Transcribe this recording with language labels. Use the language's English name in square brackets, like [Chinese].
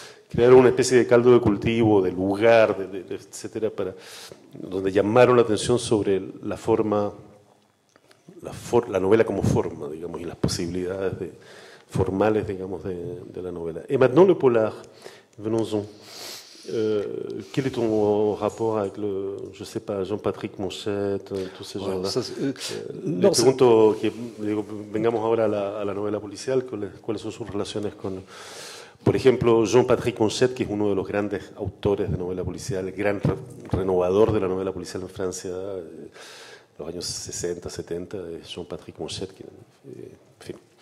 [Spanish] Crearon una especie de caldo de cultivo, de lugar, de etcétera, para donde llamaron la atención sobre la forma, la novela como forma, digamos, y las posibilidades formales, digamos, de la novela. [French] Et maintenant le polar, venons-en. Quel est ton rapport avec le, je sais pas, Jean-Patrick Monchet, tous ces gens-là? [Spanish] Le pregunto, vengamos ahora a la novela policial, ¿cuáles son sus relaciones con? Por ejemplo, Jean-Patrick Monchet, que es uno de los grandes autores de novela policial, el gran renovador de la novela policial en Francia, los años 60, 70, Jean-Patrick Monchet. En fin.